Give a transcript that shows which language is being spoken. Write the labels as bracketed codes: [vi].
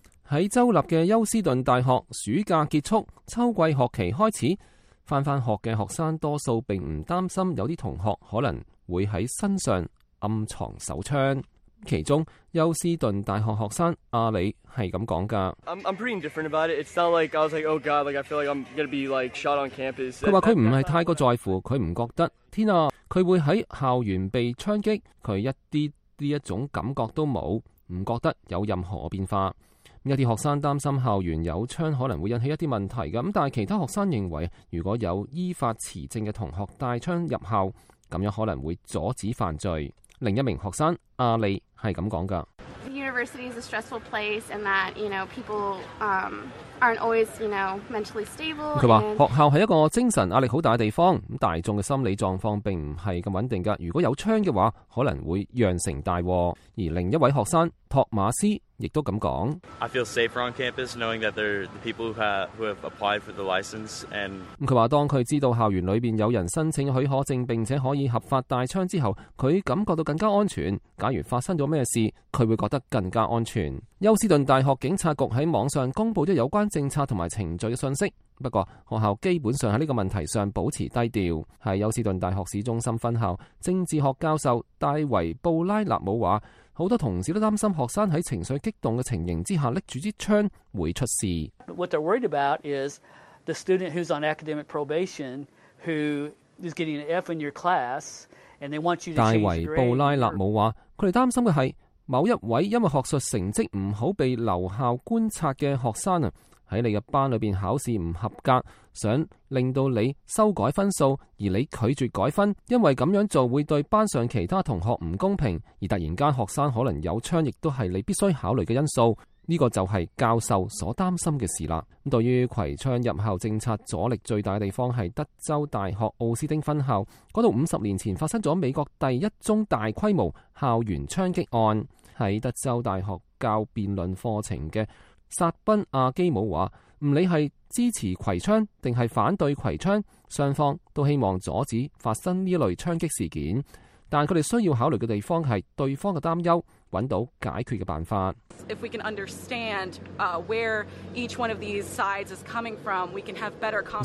[yue] 喺州立嘅休斯顿大学，暑假结束，秋季学期开始，翻学嘅学生多数并唔担心有啲同学可能会喺身上暗藏手枪。其中休斯顿大学学生阿里系咁讲噶。 [en] I'm pretty indifferent about it. It's not like I was like, oh god, like I feel like I'm gonna be like shot on campus. [yue] 佢话佢唔系太过在乎，佢唔觉得天啊，佢会喺校园被枪击，佢一啲呢一种感觉都冇，唔觉得有任何变化。一啲学生担心校园有枪可能会引起一啲问题嘅，但系其他学生认为，如果有依法持证嘅同学带枪入校，咁样可能会阻止犯罪。另一名学生阿利系咁讲噶。 [en] The university is a stressful place, and that you know people aren't always you know mentally stable. [yue] 佢话学校系一个精神压力好大嘅地方，咁大众嘅心理状况并唔系咁稳定噶。如果有枪嘅话，可能会酿成大祸。而另一位学生托马斯亦都咁讲。 [en] I feel safer on campus knowing that there are people who have applied for the license and [yue] 佢话当佢知道校园里边有人申请许可证并且可以合法带枪之后，佢感觉到更加安全。假如发生咗咩事，佢会觉得更加安全。休斯顿大学警察局喺网上公布咗有关政策同埋程序嘅信息，不过学校基本上喺呢个问题上保持低调。系休斯顿大学市中心分校政治学教授戴维布拉纳姆话。好多同事都担心学生在情绪激动的情形之下拎住支枪会出事。 [en] What they're worried about is the student who's on academic probation who is getting an F in your class and they want you to change grade. [yue] 戴维布拉纳姆话：佢哋担心嘅系某一位因为学术成绩唔好被留校观察嘅学生啊，喺你嘅班里边考试唔合格，想令到你修改分数，而你拒绝改分，因为咁样做会对班上其他同学唔公平，而突然间学生可能有枪，亦都系你必须考虑嘅因素。呢个就系教授所担心嘅事啦。对于携枪入校政策，阻力最大嘅地方系德州大学奥斯丁分校，嗰度50年前发生咗美国第一宗大规模校园枪击案。喺德州大学教辩论课程嘅萨宾阿基姆话：唔理系支持携枪定系反对携枪，双方都希望阻止发生呢类枪击事件。但佢哋需要考虑嘅地方系对方嘅担忧，揾到解决嘅办法。 [en] If we can understand where each one of these sides is coming from, we can have better conversation.